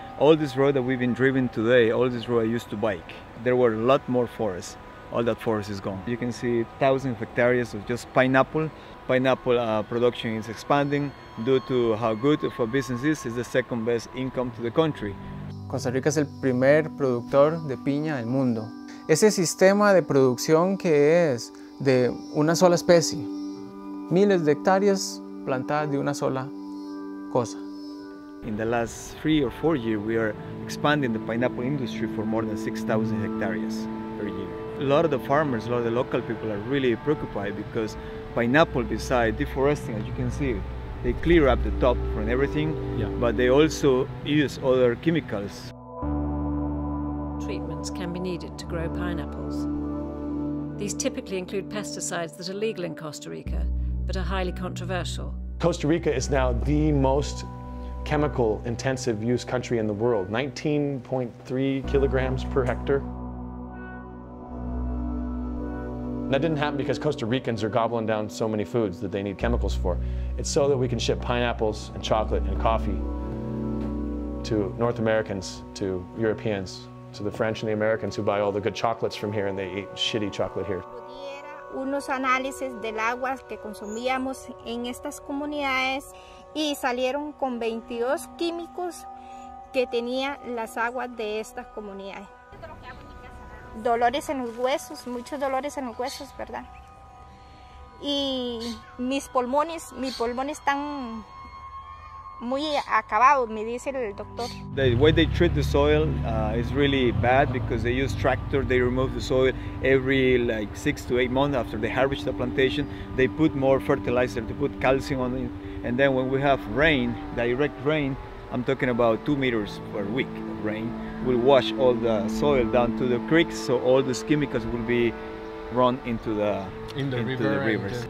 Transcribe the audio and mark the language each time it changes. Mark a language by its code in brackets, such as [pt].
[en] All this road that we've been driven today, all this road I used to bike, there were a lot more forests. All that forest is gone. You can see thousands of hectares of just pineapple. Pineapple production is expanding due to how good of a business is. It's the second best income to the country. [es] Costa Rica es el primer productor de piña del mundo. Ese sistema de producción que es de una sola especie, miles de hectáreas plantadas de una sola cosa. [en] In the last 3 or 4 years, we are expanding the pineapple industry for more than 6,000 hectares per year. A lot of the farmers, a lot of the local people are really preoccupied because pineapple beside, deforesting, as you can see. They clear up the top and everything, but they also use other chemicals. Treatments can be needed to grow pineapples. These typically include pesticides that are legal in Costa Rica, but are highly controversial. Costa Rica is now the most chemical intensive use country in the world, 19.3 kilograms per hectare. That didn't happen because Costa Ricans are gobbling down so many foods that they need chemicals for. It's so that we can ship pineapples and chocolate and coffee to North Americans, to Europeans, to the French and the Americans who buy all the good chocolates from here and they eat shitty chocolate here. [es] Unos análisis del agua que consumíamos en estas comunidades y salieron con 22 químicos que tenía las aguas de estas comunidades. Dolores en los huesos, muchos dolores en los huesos, ¿verdad? Y mis pulmones están muy acabados, me dice el doctor. [en] The way they treat the soil is really bad because they use tractor, they remove the soil every like 6 to 8 months after they harvest the plantation. They put more fertilizer, they put calcium on it. And then when we have rain, direct rain, I'm talking about 2 meters per week of rain, will wash all the soil down to the creeks, so all these chemicals will be run into the rivers.